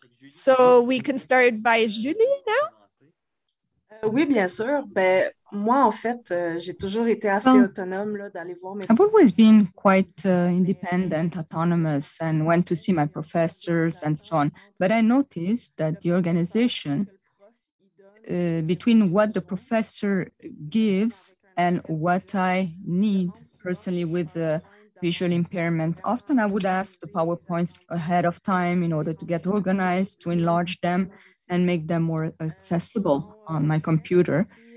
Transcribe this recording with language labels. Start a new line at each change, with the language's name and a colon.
English: So we can start by Julie now.
French: Oui, bien sûr. Ben, moi, en fait, j'ai toujours été assez autonome là, d'aller voir mes...
English: I've always been quite independent, autonomous, and went to see my professors and so on. But I noticed that the organization, between what the professor gives and what I need personally with the visual impairment, often I would ask the PowerPoints ahead of time in order to get organized, to enlarge them, and make them more accessible on my computer.